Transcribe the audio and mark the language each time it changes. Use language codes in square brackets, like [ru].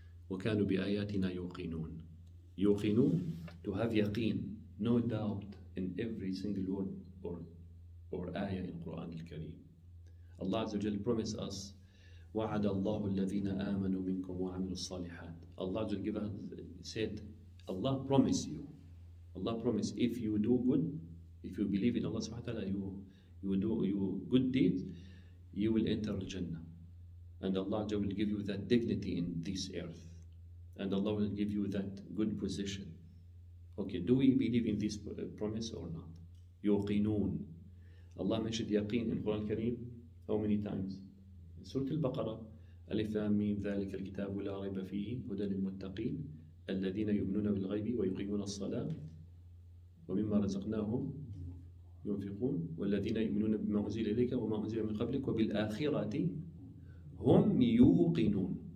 [ar] وكانوا بآياتنا يوقنون. يوقنون, [en] to have yaqeen, no doubt in every single word or ayah in Quran al-Kareem. Allah Azza wa Jalla promised us, [ar] وعد الله الذين آمنوا منكم وعملوا الصالحات. [en] Allah Azza wa Jalla said, Allah promised you. Allah promised, if you do good, if you believe in Allah subhanahu wa ta'ala, you do your good deeds, you will enter al-Jannah. And Allah Azza wa Jalla will give you that dignity in this earth. And Allah will give you that good position. Okay, do we believe in this promise or not? يوقنون. Allah mentioned yaqeen in Quran al-Kareem. How many times? [ar] Surah Al-Baqarah, Alif Lam Mim, ذلك الكتاب لا ريب فيه هدى للمتقين الذين يؤمنون بالغيب ويقيمون الصلاة ومما رزقناهم ينفقون والذين يؤمنون بما أنزل إليك وما أنزل من قبلك وبالآخرة هم يوقنون.